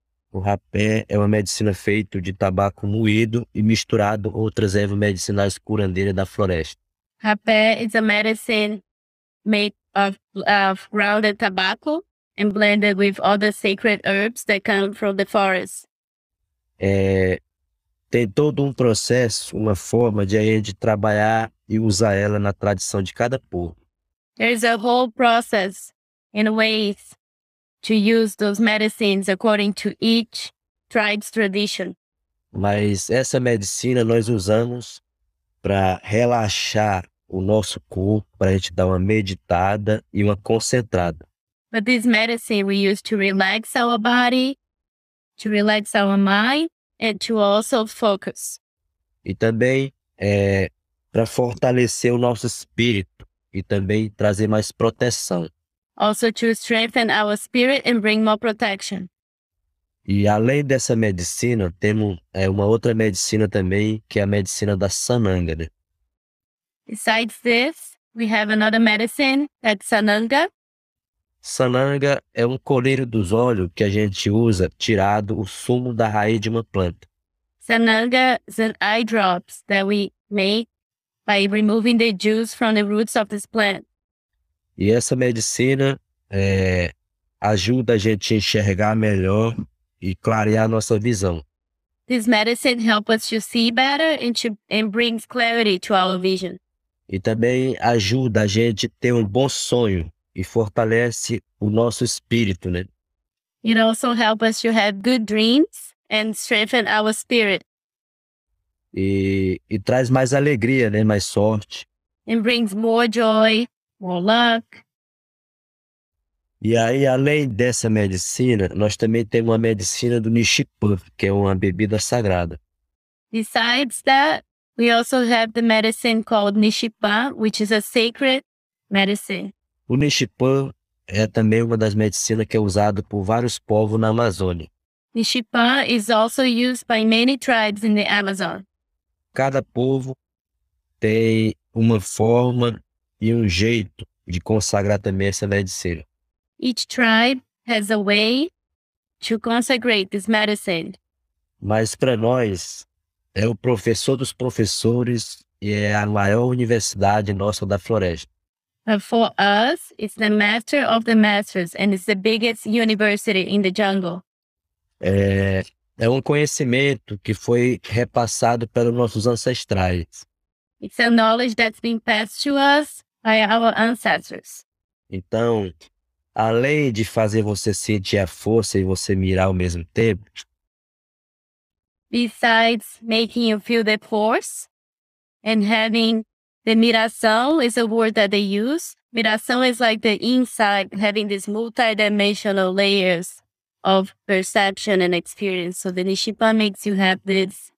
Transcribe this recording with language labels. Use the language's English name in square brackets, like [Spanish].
[Portuguese] O rapé é uma medicina feita de tabaco moído e misturado com outras ervas medicinais curandeiras da floresta. [English] Rapé is a medicine made of ground tobacco and blended with other sacred herbs that come from the forest. [Portuguese] É, tem todo um processo, uma forma de a gente trabalhar e usar ela na tradição de cada povo. [English] There's a whole process in ways to use those medicines according to each tribe's tradition. [Portuguese] Mas essa medicina nós usamos para relaxar o nosso corpo, para a gente dar uma meditada e uma concentrada. [English] But this medicine we use to relax our body, to relax our mind, and to also focus. [Portuguese] E também é para fortalecer o nosso espírito e também trazer mais proteção. [English] Also to strengthen our spirit and bring more protection. [Portuguese] E além dessa medicina, temos uma outra medicina também, que é a medicina da sananga, né? [English] Besides this, we have another medicine, that's sananga. [Portuguese] Sananga é um coleiro dos olhos que a gente usa tirado o sumo da raiz de uma planta. [English] Sananga is an eye drops that we make by removing the juice from the roots of this plant. [Portuguese] E essa medicina ajuda a gente a enxergar melhor e clarear a nossa visão. [English] This medicine helps us to see better and brings clarity to our vision. [Portuguese] E também ajuda a gente a ter um bom sonho e fortalece o nosso espírito, né? [English] It also helps us to have good dreams and strengthen our spirit. [Portuguese] E traz mais alegria, né? Mais sorte. [English] And brings more joy, more luck. [Portuguese] E aí, além dessa medicina, nós também temos a medicina do Nishipan, que é uma bebida sagrada. [English] Besides that, we also have the medicine called Nishipan, which is a sacred medicine. [Portuguese] O Nishipan é também uma das medicinas que é usada por vários povos na Amazônia. [English] Nishipan is also used by many tribes in the Amazon. [Portuguese] Cada povo tem uma forma e um jeito de consagrar também essa medicina. [English] Each tribe has a way to consecrate this medicine. [Portuguese] Mas para nós, é o professor dos professores e é a maior universidade nossa da floresta. [English] But for us, it's the master of the masters and it's the biggest university in the jungle. [Portuguese] É um conhecimento que foi repassado pelos nossos ancestrais. [English] It's a knowledge that's been passed to us by our ancestors. [Portuguese] Então, além de fazer você sentir a força e você mirar ao mesmo tempo, [English] besides making you feel the force and having the miração is a word that they use. Miração is like the insight, having these multidimensional layers of perception and experience. So the Nishipa makes you have this,